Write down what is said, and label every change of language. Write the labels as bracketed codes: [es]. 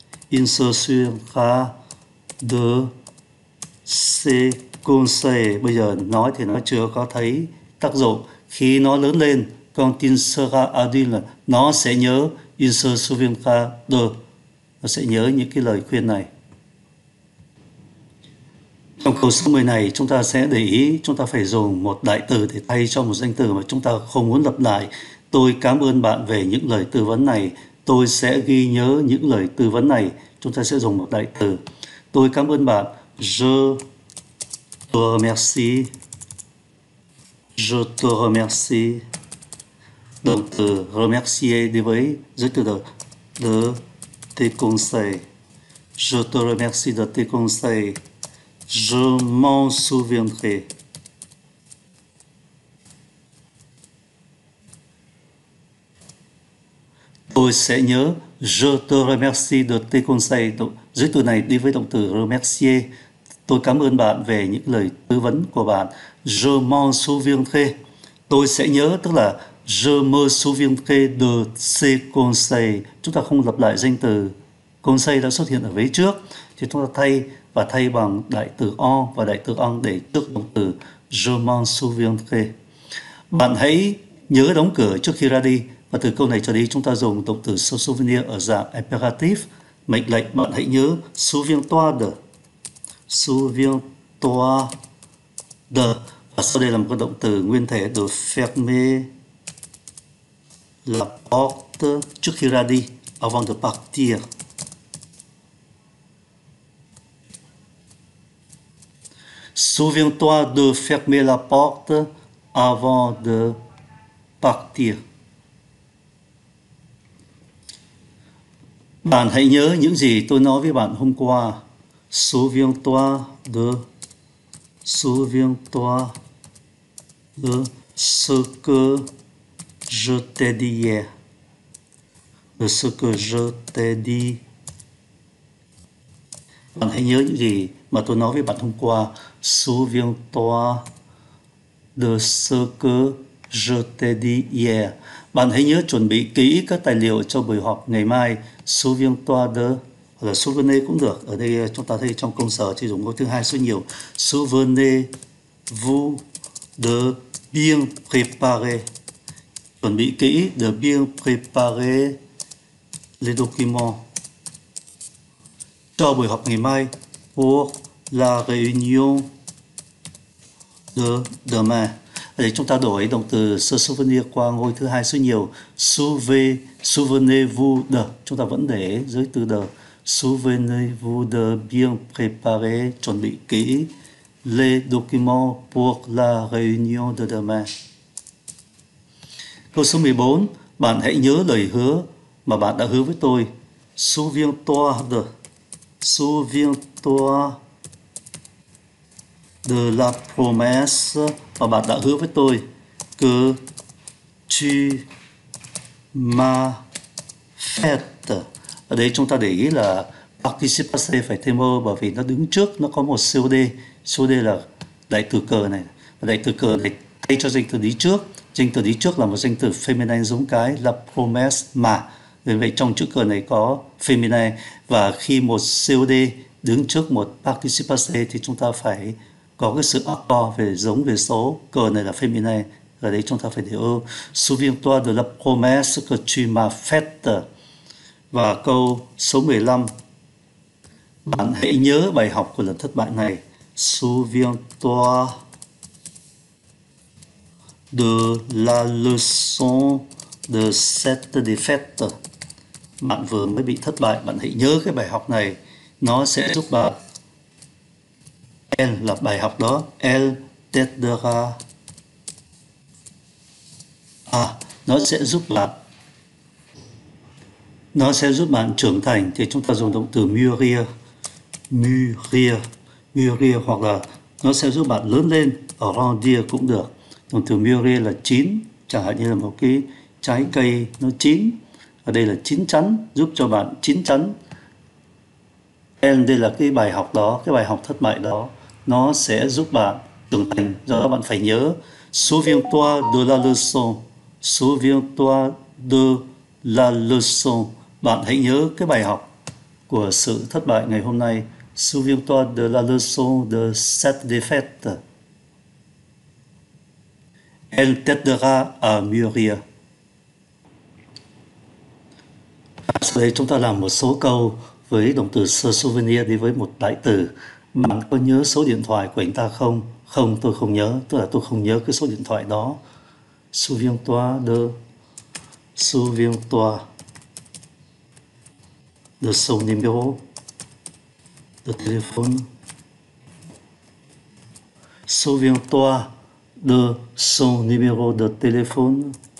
[fr] Il se souviendra de ses conseils. [vi] Bây giờ nói thì nó chưa có thấy tác dụng. Khi nó lớn lên, [fr] quand il sera adulte, [vi] nó sẽ nhớ. [fr] Il se souviendra de. [vi] Nó sẽ nhớ những cái lời khuyên này. Trong câu số 10 này, chúng ta sẽ để ý, chúng ta phải dùng một đại từ để thay cho một danh từ mà chúng ta không muốn lặp lại. Tôi cảm ơn bạn về những lời tư vấn này. Tôi sẽ ghi nhớ những lời tư vấn này. Chúng ta sẽ dùng một đại từ. Tôi cảm ơn bạn. [fr] Je te remercie. Je te remercie. [vi] Động từ remercier đi với giới từ [fr] de tes conseils. Je te remercie de tes conseils. Je m'en souviendrai. [vi] Tôi sẽ nhớ. [fr] Je te remercie de tes conseils. [vi] Giới từ này đi với động từ remercier. Tôi cảm ơn bạn về những lời tư vấn của bạn. [fr] Je m'en souviendrai. [vi] Tôi sẽ nhớ, tức là [fr] je me souviendrai de ses conseils. [vi] Chúng ta không lặp lại danh từ. Conseil đã xuất hiện ở vế trước, thì chúng ta thay và thay bằng đại từ en và đại từ en để trước động từ. [fr] Je me souviendrai. [vi] Bạn hãy nhớ đóng cửa trước khi ra đi. Và từ câu này trở đi, chúng ta dùng động từ se souvenir ở dạng imperative. Mệnh lệnh, bạn hãy nhớ. [fr] Souviens-toi de. Souviens-toi de. [vi] Và sau đây là một động từ nguyên thể [fr] de fermer. La porte, [vi] trước khi ra đi, [fr] avant de partir. Souviens-toi de fermer la porte avant de partir. [vi] Bạn hãy nhớ những gì tôi nói với bạn hôm qua. [fr] Souviens-toi de ce que je t'ai dit hier. De ce que je t'ai dit. [vi] Bạn hãy nhớ những gì mà tôi nói với bạn hôm qua. [fr] Souviens-toi de ce que Je t'ai dit hier. [vi] Bạn hãy nhớ chuẩn bị kỹ các tài liệu cho buổi họp ngày mai. [fr] Souviens-toi de, [vi] hoặc là souvenez cũng được. Ở đây chúng ta thấy trong công sở thì dùng câu thứ hai rất nhiều. [fr] Souvenez-vous de bien préparer. [vi] Chuẩn bị kỹ, [fr] de bien préparer les documents. [vi] Cho buổi họp ngày mai, [fr] pour la réunion de demain. [vi] Để chúng ta đổi động từ se souvenir qua ngôi thứ hai số nhiều. [fr] Souvenez-vous de. [vi] Chúng ta vẫn để dưới từ de. [fr] Souvenez-vous de bien préparer. [vi] Chuẩn bị kỹ [fr] les documents pour la réunion de demain. [vi] Câu số 14. Bạn hãy nhớ lời hứa mà bạn đã hứa với tôi. [fr] Souviens-toi de. Souviens-toi de la promesse. [vi] Và bạn đã hứa với tôi, [fr] que tu m'as fait. [vi] Ở đây chúng ta để ý là participe passé phải thêm o, bởi vì nó đứng trước, nó có một COD. COD là đại từ cờ này. Đại từ cờ này thay cho danh từ đi trước. Danh từ đi trước là một danh từ feminine giống cái, [fr] la promesse [vi] mà. Vì vậy trong chữ cờ này có feminine. Và khi một COD đứng trước một participe passé thì chúng ta phải có cái sự ác to về giống về số, cờ này là feminine, ở đây chúng ta phải để ơ. [fr] Souviens-toi de la promesse que tu m'as faite. [vi] Và câu số 15, bạn hãy nhớ bài học của lần thất bại này. [fr] Souviens-toi de la leçon de cette défaite. [vi] Bạn vừa mới bị thất bại, bạn hãy nhớ cái bài học này, nó sẽ giúp bạn. Elle là bài học đó. [fr] Elle t'aidera. [vi] À, nó sẽ giúp bạn. Nó sẽ giúp bạn trưởng thành. Thì chúng ta dùng động từ mûrir. Mûrir. Mûrir hoặc là nó sẽ giúp bạn lớn lên. Grandir cũng được. Động từ mûrir là chín. Chẳng hạn như là một cái trái cây nó chín. Ở đây là chín chắn. Giúp cho bạn chín chắn. Elle, đây là cái bài học đó. Cái bài học thất bại đó. Nó sẽ giúp bạn trưởng thành. Do đó bạn phải nhớ. [fr] Souviens-toi de la leçon. Souviens-toi de la leçon. [vi] Bạn hãy nhớ cái bài học của sự thất bại ngày hôm nay. [fr] Souviens-toi de la leçon de cette défaite. Elle t'aidera à mûrir. [vi] Sau đây chúng ta làm một số câu với động từ se souvenir đi với một đại từ. Bạn có nhớ số điện thoại của anh ta không? Không, tôi không nhớ. Tức là tôi không nhớ cái số điện thoại đó. [fr] Souviens-toi de. Souviens-toi de son numéro de téléphone. Souviens-toi de son numéro de téléphone.